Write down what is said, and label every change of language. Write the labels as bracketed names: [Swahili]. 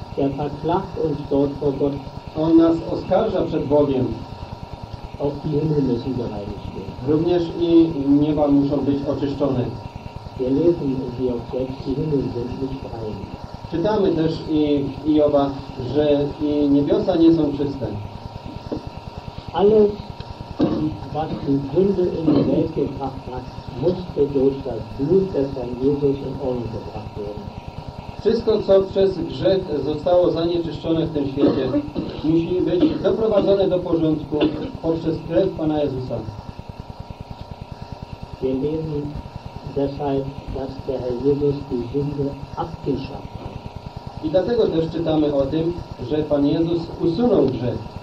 [German] Er verklagt uns dort vor Gott. [Polish] On nas oskarża przed Bogiem. [German] Auch die Himmel müssen gereinigt werden. [Polish] Również i nieba muszą być oczyszczone. [German] Wir lesen in Hiob 6, die Himmel sind nicht rein. [Polish] Czytamy też i Hioba, że i niebiosa nie są czyste. [German] Alle, was die Sünde in die Welt gebracht hat, musste durch das Blut des Herrn Jesus in Ordnung gebracht werden. [Polish] Wszystko, co przez grzech zostało zanieczyszczone w tym świecie, musi być doprowadzone do porządku poprzez krew Pana Jezusa. [German] Wir lesen deshalb, dass der Herr Jesus die Sünde abgeschafft hat. [Polish] I dlatego też czytamy o tym, że Pan Jezus usunął grzech.